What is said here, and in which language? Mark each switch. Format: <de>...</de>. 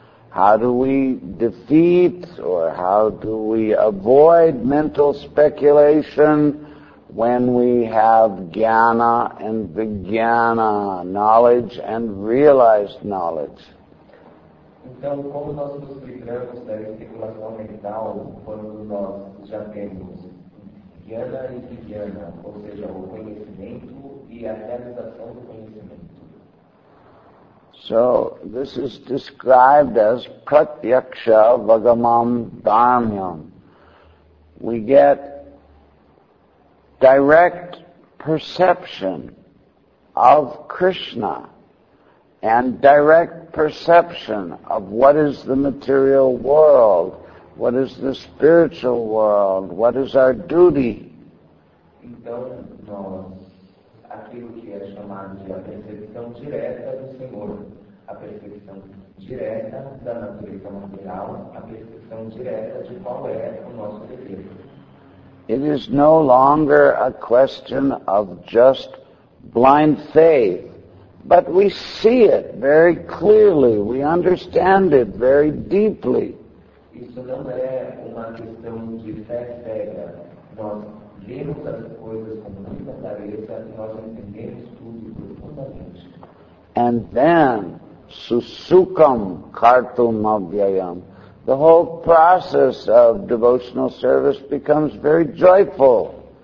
<en>How do we defeat or how do we avoid mental speculation when we have jnana and vijnana, knowledge and realized knowledge?</en> <pt>Então, como nós nos livramos da especulação mental quando nós já temos jnana e vijnana, ou seja, o conhecimento e a realização do conhecimento?</pt> <en>So, this is described as</en> <sa>pratyaksha vagamam dharmyam.</sa> <en>We get direct perception of Krishna and direct perception of what is the material world, what is the spiritual world, what is our duty.</en> <pt>Então, nós, aquilo que é chamado de a percepção direta do Senhor, a percepção direta da natureza material, a percepção direta de qual é o nosso desejo.</pt> <en>It is no longer a question of just blind faith, but we see it very clearly, we understand it very deeply.</en> <pt>Isso não é uma questão de fé cega. Nós vemos as coisas com muita clareza e nós entendemos tudo profundamente.</pt> <en>And then,</en> <sa>susukam kartum avyayam.</sa> <en>The whole process of devotional service becomes very joyful.</en>